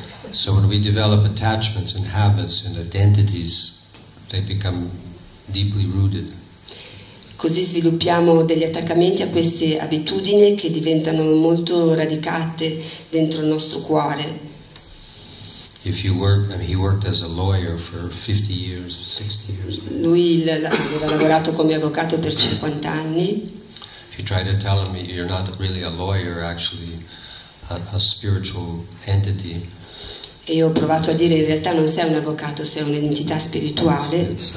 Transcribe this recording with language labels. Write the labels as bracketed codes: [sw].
[en] So when we develop attachments and habits and identities, they become deeply rooted. [it] Così sviluppiamo degli attaccamenti a queste abitudini che diventano molto radicate dentro il nostro cuore. [en] If you work, I mean, he worked as a lawyer for 50 years, 60 years. [it] Lui aveva lavorato come avvocato per 50 anni. [en] If you try to tell him you're not really a lawyer, actually a spiritual entity. [it] E ho provato a dire in realtà non sei un avvocato, sei un'entità spirituale.